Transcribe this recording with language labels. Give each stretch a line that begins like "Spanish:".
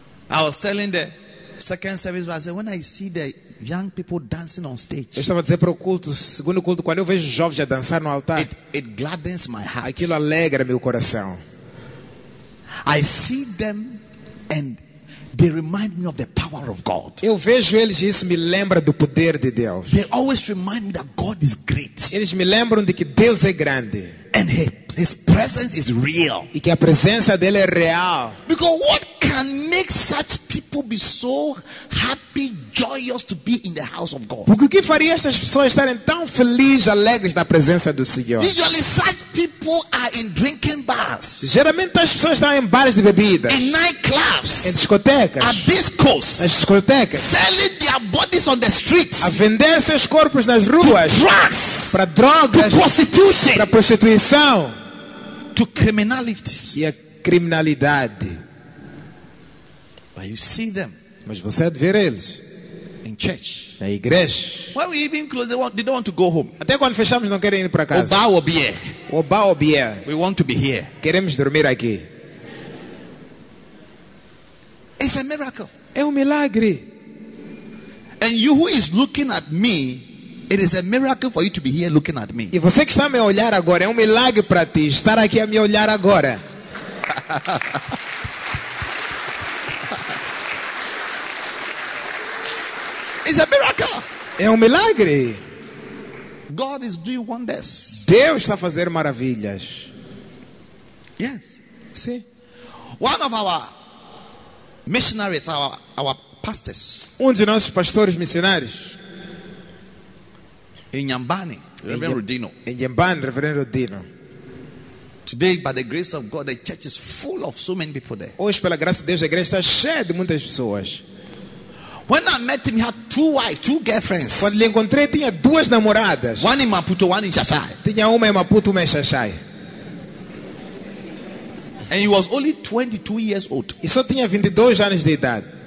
English: I was telling the second service, but I said, when I see the young people dancing on stage,
Portuguese: eu estava dizendo para o culto, segundo culto, quando eu vejo jovens a dançar no altar,
English: it gladdens my heart.
Portuguese: Aquilo alegra meu coração.
English: I see them and They remind me of the power of God.
Portuguese: Eu vejo eles e isso me lembra do poder de Deus.
English: They always remind me that God is great.
Portuguese: Eles me lembram de que Deus é grande.
English: And his presence is real.
Portuguese: E que a presença dele é real.
English: Because what can make such people be so happy, joyous to be in the house of God?
Portuguese: Porque o que faria essas pessoas estarem tão felizes, alegres na presença do Senhor?
English: Usually such people are in drinking bars.
Portuguese: Geralmente as pessoas estão em bares de bebida.
English: In nightclubs.
Portuguese: Em discotecas.
English: At discos.
Portuguese: Nas discotecas.
English: Selling their bodies on the streets.
Portuguese: A vender seus corpos nas ruas.
English: Drugs.
Portuguese: Para drogas.
English: To prostitution.
Portuguese: Para prostituição.
English: To criminalities.
Portuguese: E a criminalidade.
English: But you see them.
Portuguese: Mas você deve ver eles.
English: In church.
Portuguese: Na igreja.
English: When we even close, they don't want to go home.
Portuguese: Até quando fechamos, não querem ir para casa. Oba ou bia. Oba ou bia.
English: We want to be here.
Portuguese: Queremos dormir aqui.
English: It's a miracle.
Portuguese: É milagre.
English: And you who is looking at me, it is a miracle for you to be here looking at me.
Portuguese: E você que está a me olhar agora, é milagre para ti estar aqui a me olhar agora.
English: It's a miracle.
Portuguese: É milagre.
English: God is doing wonders.
Portuguese: Deus está a fazer maravilhas.
English: Yes.
Portuguese: Sim.
English: One of our missionaries, our pastors.
Portuguese: De nossos pastores missionários.
English: In Yambani, Reverend Rodino. In Yambani, Reverend Rodino. Today, by the grace of God, the church is full of so many people there.
Portuguese: Hoje, pela graça de Deus, a igreja está cheia de muitas pessoas.
English: When I met him, he had two wives, two girlfriends.
Portuguese: Quando lhe encontrei, tinha duas namoradas.
English: One in Maputo, one in Xaxai.
Portuguese: Tinha uma em Maputo, uma em Xaxai.
English: And he was only 22 years old.
Portuguese: E só tinha 22 anos de idade.